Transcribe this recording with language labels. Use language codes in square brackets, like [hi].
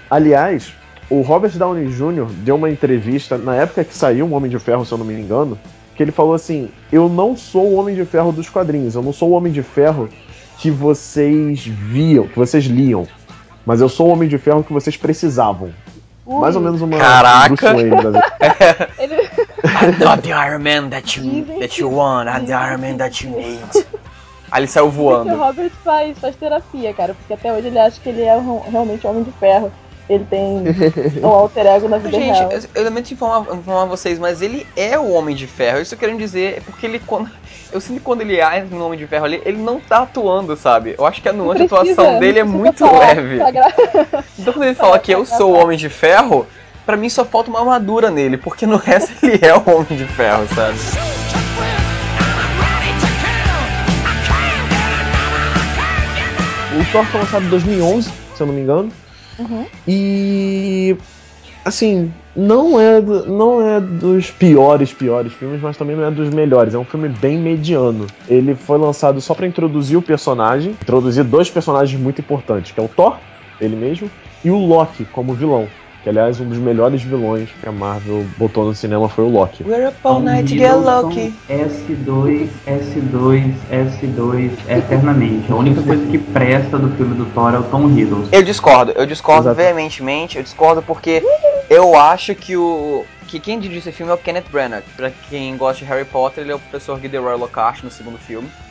[pt] Aliás, o Robert Downey Jr. deu uma entrevista na época que saiu o Homem de Ferro, se eu não me engano, que ele falou assim: eu não sou o Homem de Ferro dos quadrinhos, eu não sou o Homem de Ferro que vocês viam, que vocês liam, mas eu sou o Homem de Ferro que vocês precisavam. Ui, mais ou menos uma... Caraca! [en] Bruce Wayne, I'm not the Iron Man that you want, I'm the Iron Man that you need. [pt] Aí ele saiu voando. O Robert faz terapia, cara, porque até hoje ele acha que ele é realmente o Homem de Ferro. Ele tem um alter ego na vida. Gente, real. Gente, eu lamento informar vocês, mas ele é o Homem de Ferro. Isso eu quero dizer, porque ele, quando... Eu sinto que quando ele entra no Homem de Ferro ali, ele não tá atuando, sabe? Eu acho que a nuance de atuação dele é muito leve. Então quando ele fala que eu sou o Homem de Ferro, pra mim só falta uma armadura nele, porque no resto ele é o Homem de Ferro, sabe? O Thor foi lançado em 2011, se eu não me engano. Uhum. E, assim, não é dos piores filmes, mas também não é dos melhores. É um filme bem mediano. Ele foi lançado só pra introduzir o personagem, introduzir dois personagens muito importantes, que é o Thor, ele mesmo, e o Loki como vilão. Que, aliás, um dos melhores vilões que a Marvel botou no cinema foi o Loki. [en] We're up all night, get Loki. [pt] S2, eternamente. A única coisa que presta do filme do Thor é o Tom Hiddleston. Eu discordo veementemente. Eu discordo porque eu acho que quem dirige esse filme é o Kenneth Branagh. Pra quem gosta de Harry Potter, ele é o professor Gilderoy Lockhart no segundo filme.